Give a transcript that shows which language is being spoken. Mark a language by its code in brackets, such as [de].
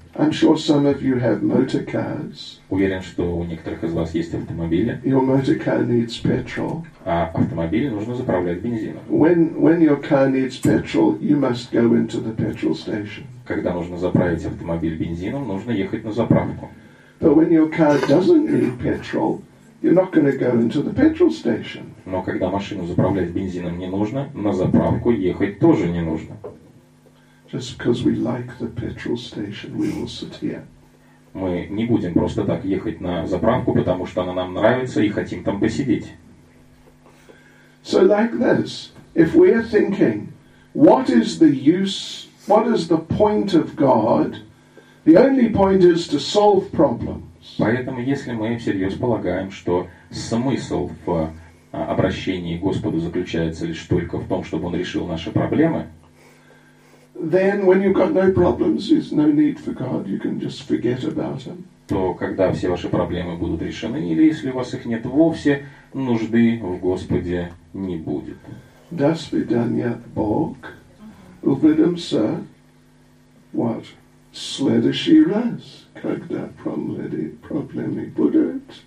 [en] I'm sure some of you have motor cars. [ru] Уверен, что у некоторых из вас есть автомобили. [en] Your motor car needs petrol. [ru] А автомобиль нужно заправлять бензином. [en] When your car needs petrol, you must go into the petrol station. [ru] Когда нужно заправить автомобиль бензином, нужно ехать на заправку. [en] But when your car doesn't need petrol, you're not going to go into the petrol station. [ru] Но когда машину заправлять бензином не нужно, на заправку ехать тоже не нужно. [en] Just because we like the petrol station, we will sit here. [ru] Мы не будем просто так ехать на заправку, потому что она нам нравится и хотим там посидеть. [en] So like this, if we are thinking, what is the use, what is the point of God? The only point is to solve problems. [ru] Поэтому, если мы всерьез полагаем, что смысл в обращении к Господу заключается лишь только в том, чтобы Он решил наши проблемы, [en] then when you've got no problems, there's no need for God. You can just forget about Him. [ru] То когда все ваши проблемы будут решены, или если у вас их нет вовсе, нужды в Господе не будет. До свидания, Бог. Увидимся. [en] What? [ru] Следующий раз, когда проблемы будут.